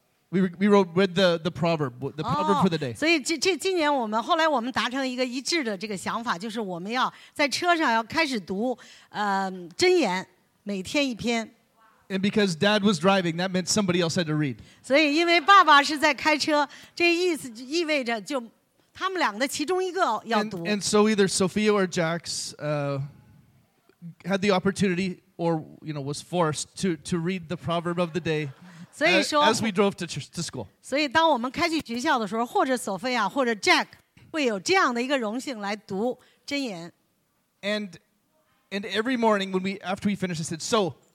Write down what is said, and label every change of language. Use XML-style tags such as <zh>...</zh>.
<en>We read the proverb, proverb for the day.</en> <zh>所以今年我们后来我们达成一个一致的这个想法，就是我们要在车上要开始读箴言，每天一篇。</zh> <en>And because Dad was driving, that meant somebody else had to read.</en> <zh>所以因为爸爸是在开车，这意思意味着就他们两个其中一个要读。</zh> <en>And so either Sophia or Jax had the opportunity, or you know, was forced to read the proverb of the day.</en> <zh>所以说,</zh> <en>as we drove to school.</en> <zh>所以当我们开去学校的时候，或者索菲亚或者 Jack 会有这样的一个荣幸来读箴言。</zh> <en>And every morning when after we finished, I said so.</en>